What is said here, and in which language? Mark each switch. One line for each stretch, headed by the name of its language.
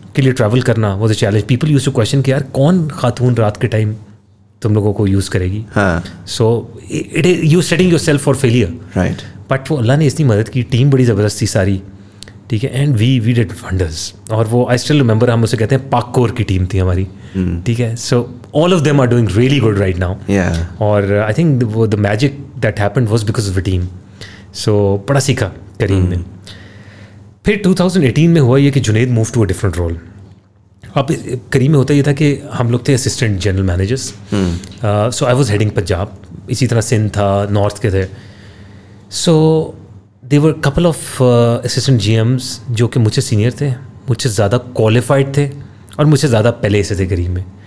Urdu: کے لیے ٹریول کرنا
English: Was a challenge. People use to question
Urdu: کہ یار کون خاتون رات کے ٹائم تم لوگوں کو یوز کرے گی.
English: So it is you setting yourself for failure right.
Urdu: But وہ اللہ نے اتنی مدد کی, ٹیم بڑی زبردست تھی ساری, ٹھیک ہے,
English: And we did wonders.
Urdu: اور وہ
English: I still remember,
Urdu: ہم اسے کہتے ہیں پاکور کی ٹیم تھی ہماری, ٹھیک ہے.
English: So all of them are doing really good right now. اور I think the magic that happened was because of the team.
Urdu: سو بڑا سیکھا کریم نے. پھر 2018 میں ہوا یہ کہ Junaid
English: Move to a different role.
Urdu: اب کریم میں ہوتا یہ تھا کہ ہم لوگ تھے assistant general managers,
English: so I was heading Punjab,
Urdu: اسی طرح سندھ تھا, نارتھ کے تھے.
English: so they were couple of
Urdu: assistant جی AIIMS جو کہ مجھ سے سینئر تھے, مجھ سے زیادہ کوالیفائڈ تھے اور مجھ سے زیادہ پہلے ایسے تھے کریم میں.